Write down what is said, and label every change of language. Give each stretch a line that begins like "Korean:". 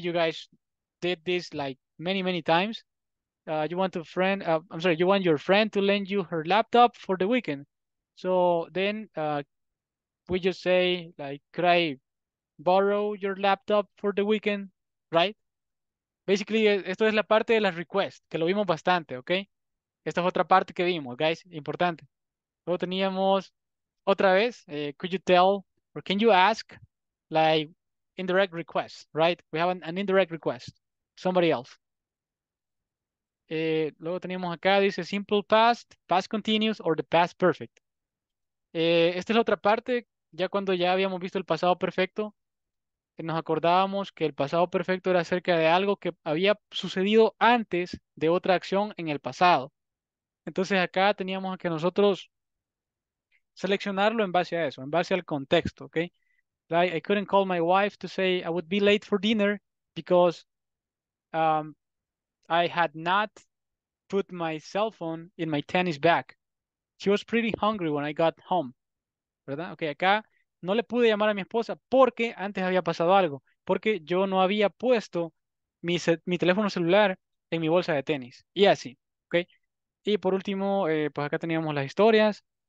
English: You guys did this like many, many times. You want a friend... I'm sorry. You want your friend to lend you her laptop for the weekend. So then we just say, like, could I borrow your laptop for the weekend? Right?
Spanish: Basically, esto es la parte de las requests, que lo vimos bastante, ¿ok? Esta es otra parte que vimos, guys, importante. Luego teníamos, otra vez,
English: could you tell, or can you ask, like, indirect request, right? We have an indirect request, somebody else.
Spanish: Luego teníamos acá, dice,
English: simple past, past continuous, or the past perfect.
Spanish: Esta es la otra parte, ya cuando ya habíamos visto el pasado perfecto, nos acordábamos que el pasado perfecto era acerca de algo que había sucedido antes de otra acción en el pasado. Entonces acá teníamos que nosotros seleccionarlo en base a eso, en base al contexto, ¿ok?
English: Like, I couldn't call my wife to say I would be late for dinner because I had not put my cell phone in my tennis bag. She was pretty hungry when I got home.
Spanish: ¿Verdad? Ok, acá... No le pude llamar a mi esposa porque antes había pasado algo. Porque yo no había puesto mi teléfono celular en mi bolsa de tenis. Y así, ¿ok? Y por último, pues acá teníamos las historias.